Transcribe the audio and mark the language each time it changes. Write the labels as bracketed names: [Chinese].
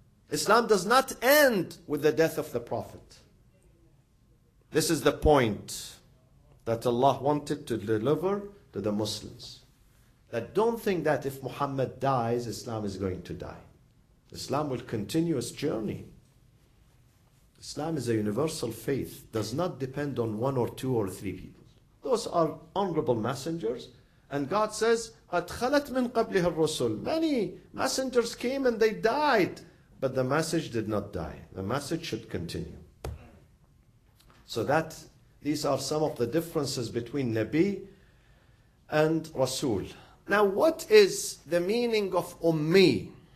[English] Islam does not end with the death of the Prophet. This is the point that Allah wanted to deliver to the Muslims. That don't think that if Muhammad dies, Islam is going to die. Islam will continue its journey. Islam is a universal faith. Does not depend on 1 or 2 or 3 people. Those are honorable messengers. And God says, [Arabic] قَدْ خَلَتْ مِنْ قَبْلِهَا الرُّسُلُ. [English] Many messengers came and they died. But the message did not die. The message should continue. So that these are some of the differences between Nabi and Rasul. Now what is the meaning of Ummi?